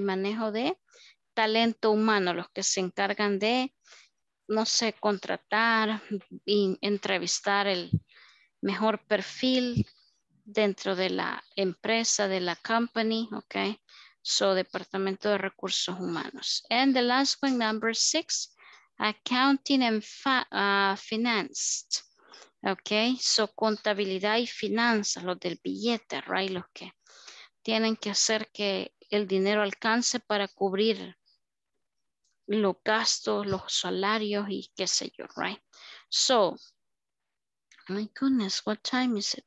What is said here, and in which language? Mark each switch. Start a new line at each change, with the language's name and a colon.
Spanish: Manejo de talento humano, los que se encargan de, no sé, contratar y entrevistar el mejor perfil dentro de la empresa, de la company, okay? So, Departamento de Recursos Humanos.
English: And the last one, number six, accounting and financed.
Spanish: Okay, so contabilidad y finanzas, los del billete, right? Los que tienen que hacer que el dinero alcance para cubrir los gastos, los salarios y qué sé yo, right?
English: So, my goodness, what time is it?